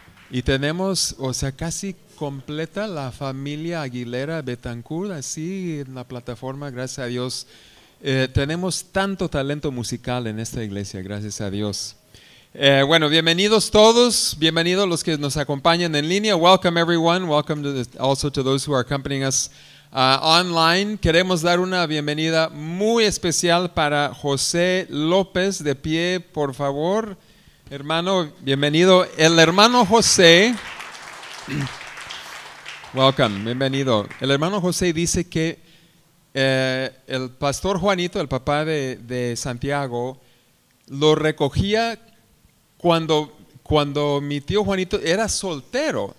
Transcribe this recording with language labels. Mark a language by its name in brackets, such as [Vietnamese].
[Spanish] Y tenemos, o sea, casi completa la familia Aguilera Betancourt, así en la plataforma, gracias a Dios. Tenemos tanto talento musical en esta iglesia, gracias a Dios. Bueno, bienvenidos todos, bienvenidos los que nos acompañan en línea. [English] Welcome everyone, welcome to also to those who are accompanying us online. [Spanish] Queremos dar una bienvenida muy especial para José López. De pie, por favor, hermano, bienvenido. El hermano José, [English] welcome, [Spanish] bienvenido. El hermano José dice que el pastor Juanito, el papá de Santiago, lo recogía cuando mi tío Juanito era soltero.